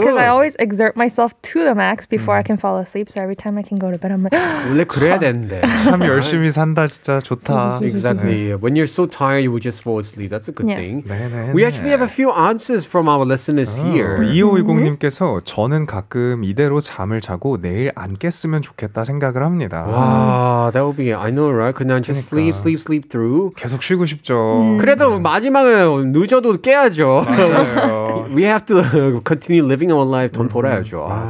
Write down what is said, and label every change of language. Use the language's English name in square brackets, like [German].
[English] Because I always exert myself to the max before I can fall asleep. So every time I can go to bed, I'm like, [Korean] 원래 그래야 되는데. 참 열심히 산다, 진짜 좋다. [English] Exactly. When you're so tired, you will just fall asleep. That's a good yeah. thing. [Korean] 네네네. [English] We actually have a few answers from our listeners here. [Korean] 2520님께서 저는 가끔 이대로 잠을 자고 내일 안 깼으면 좋겠다 생각을 합니다. [English] That would be, I know, right? Could I just 그러니까. sleep through? [Korean] 계속 쉬고 싶죠. 그래도 마지막에 늦어도 깨야죠. [English] We have to continue living our life. [Korean] 돈 벌어야죠.